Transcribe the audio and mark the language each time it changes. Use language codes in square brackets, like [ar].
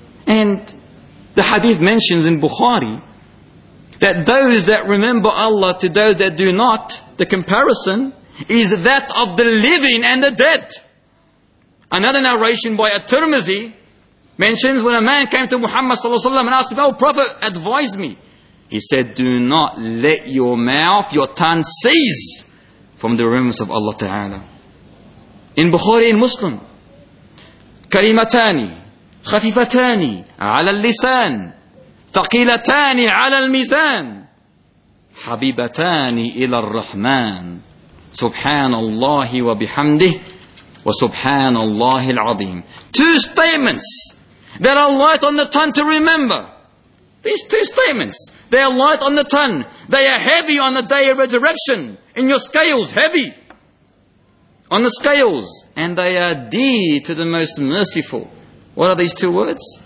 [en] And the hadith mentions in Bukhari that those that remember Allah to those that do not, the comparison is that of the living and the dead. Another narration by At-Tirmizi mentions when a man came to Muhammad sallallahu alaihi wasallam and asked him, "Oh Prophet, advise me." He said, "Do not let your mouth, your tongue cease from the remembrance of Allah Ta'ala." In Bukhari and Muslim, [ar] كلمتان خفيفتان على اللسان ثقيلتان على الميزان حبيبتان إلى الرحمن سبحان الله وبحمده وسبحان الله العظيم. [en] Two statements that are light on the tongue to remember. These two statements, they are light on the tongue. They are heavy on the day of resurrection. In your scales, heavy on the scales. And they are dear to the most merciful. What are these two words?